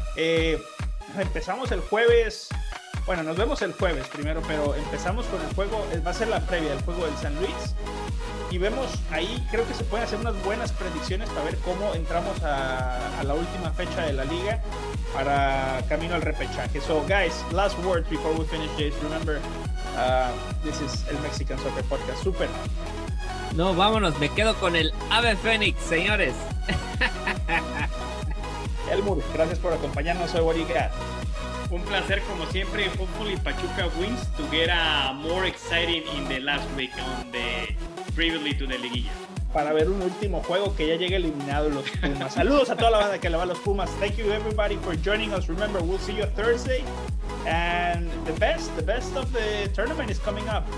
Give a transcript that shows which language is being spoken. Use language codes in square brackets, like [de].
[es] Empezamos el jueves. Bueno, nos vemos el jueves primero, pero empezamos con el juego. Va a ser la previa del juego del San Luis. Y vemos ahí, creo que se pueden hacer unas buenas predicciones para ver cómo entramos a la última fecha de la liga para camino al repechaje. [en] So, guys, last words before we finish this. Remember, this is el Mexican Soccer Podcast. Super. [es] No, vámonos, me quedo con el Ave Fénix, señores. Elmur, gracias por acompañarnos hoy, Boriga. Un placer, como siempre, [en] Fútbol y Pachuca wins to get a more exciting in the last week on the previously to the Liguilla. [es] Para ver un último juego que ya llegue eliminado los Pumas. Saludos a toda la banda que le va a los Pumas. [en] Thank you everybody for joining us. Remember, we'll see you Thursday. And the best of the tournament is coming up.